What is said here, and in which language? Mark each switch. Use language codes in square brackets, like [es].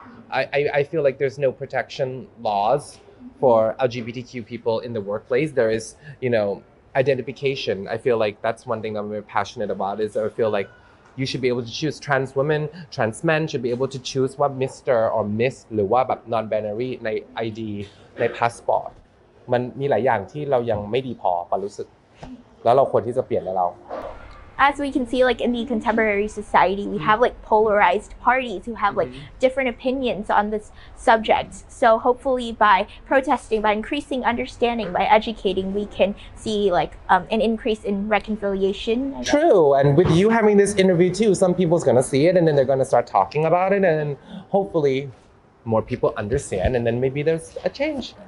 [en] I feel like there's no protection laws for LGBTQ people in the workplace. There is, you know, identification. I feel like that's one thing I'm very passionate about is I feel like you should be able to choose trans women, trans men should be able to choose what Mr. or Miss [th] หรือว่าแบบ non-binary ใน ID ในพาสปอร์ตมันมีหลายอย่างที่เรายังไม่ดีพอปะรู้สึกแล้วเราควรที่จะเปลี่ยนแล้วเรา [en] As we can see like in the contemporary society we have like polarized parties who have like different opinions on this subject so hopefully by protesting by increasing understanding by educating we can see like an increase in reconciliation True and with you having this interview too some people's going to see it and then they're going to start talking about it and hopefullymore people understand and then maybe there's a change.